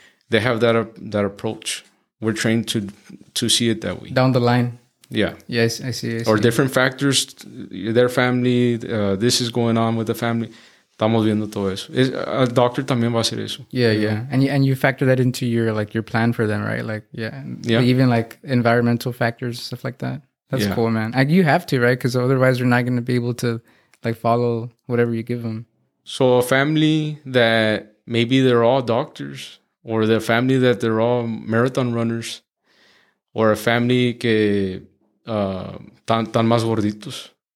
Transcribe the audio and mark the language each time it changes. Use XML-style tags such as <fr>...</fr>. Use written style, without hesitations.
<en>They have that that approach. We're trained to see it that way. Down the line. Yeah. Yes, I see. Or different factors, their family, this is going on with the family.</en> <es>Estamos viendo todo eso. A doctor también va a hacer eso.</es> <en>And you factor that into your plan for them, right? Like, even like environmental factors, stuff like that. That's cool, man. Like, you have to, right? Because otherwise you're not going to be able to like follow whatever you give them. So a family that maybe they're all doctors, or the family that they're all marathon runners, or a family</en> <es>que tan más gorditos.</es>